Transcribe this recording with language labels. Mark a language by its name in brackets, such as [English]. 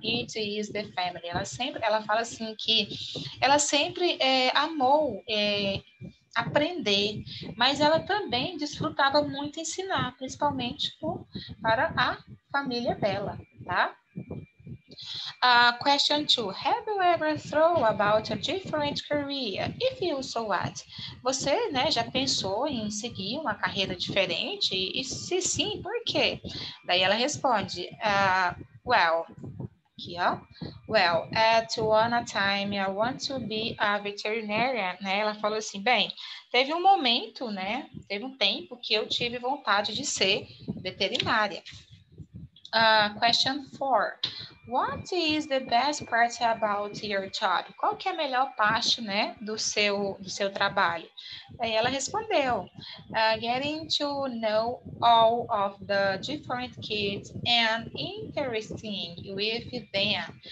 [English] It is the family. [Portuguese] Ela fala assim que ela sempre amou aprender, mas ela também desfrutava muito ensinar, principalmente para a família dela, tá? [English] Question 2. Have you ever thought about a different career? If you so what? [Portuguese] Você, né, já pensou em seguir uma carreira diferente? E se sim, por quê? Daí ela responde, aqui, ó. [English] Well, at one time, I want to be a veterinarian, né? [Portuguese] Ela falou assim, bem, teve um momento, né? Teve um tempo que eu tive vontade de ser veterinária. [English] Question 4. What is the best part about your job? [Portuguese] Qual que é a melhor parte, né, do seu trabalho? Aí ela respondeu, [English] getting to know all of the different kids and interacting with them.